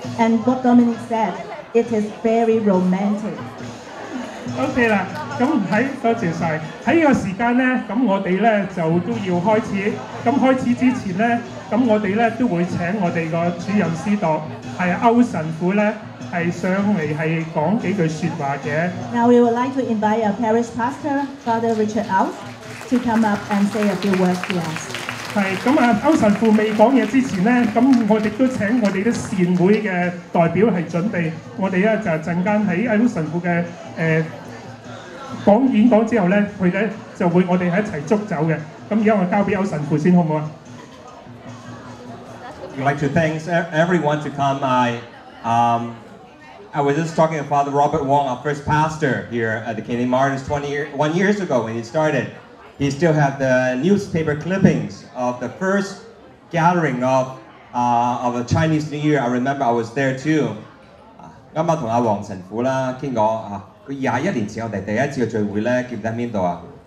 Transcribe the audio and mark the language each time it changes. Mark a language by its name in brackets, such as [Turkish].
[English] And what Dominic said, it is very romantic. [Cantonese] Okay, 啦，咁喺多謝曬。喺呢個時間咧，咁我哋咧就都要開始。咁開始之前咧。咁我哋咧都會請我哋個主任司铎係歐神父咧，係上嚟係講幾句説話嘅。 [English] Now we would like to invite our parish pastor, Father Richard Aus, to come up and say a few words to us。 [Cantonese] 係，咁啊，歐神父未講嘢之前咧，咁我哋都請我哋啲善會嘅代表係準備，我哋咧就陣間喺歐神父嘅講演講之後咧，佢咧就會我哋喺一齊祝酒嘅。咁而家我交俾歐神父先，好唔好啊？ [English] We'd like to thank everyone to come. I was just talking to Father Robert Wong, our first pastor here at the Canadian Martyrs 21 years ago when he started. He still had the newspaper clippings of the first gathering of the Chinese New Year. I remember I was there too. [Cantonese] 今晚同阿王神父啦，傾講啊，佢21年前我哋第一次嘅聚會咧，記得喺邊度啊？